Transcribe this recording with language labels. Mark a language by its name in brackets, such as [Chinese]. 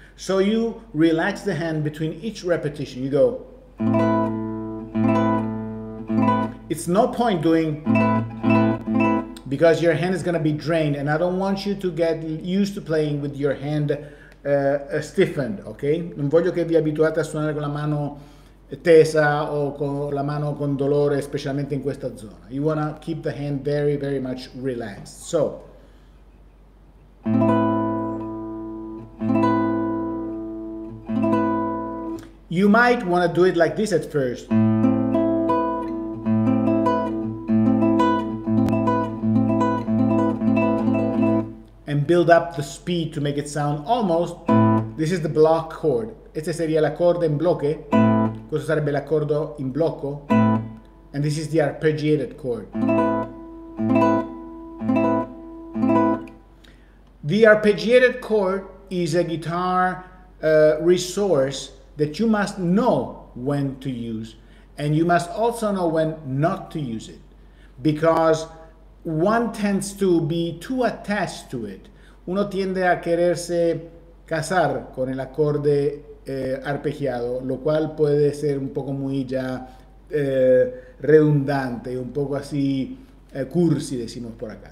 [English] So you relax the hand between each repetition. You go. It's no point doing. Because your hand is going to be drained, and I don't want you to get used to playing with your hand stiffened, okay? [Italian] Non voglio che vi abituate a suonare con la mano tesa o con la mano con dolore, specialmente in questa zona. [English] You want to keep the hand very, very much relaxed. So. You might want to do it like this at first. Build up the speed to make it sound almost. This is the block chord. [Spanish] Este sería el acorde en bloque. [Italian] Questo sarebbe l'accordo in blocco. [English] And this is the arpeggiated chord. The arpeggiated chord is a guitar resource that you must know when to use, and you must also know when not to use it, because one tends to be too attached to it. [Spanish] Uno tiende a quererse casar con el acorde arpeggiado, lo cual puede ser un poco muy ya redundante, un poco así cursi, decimos por acá.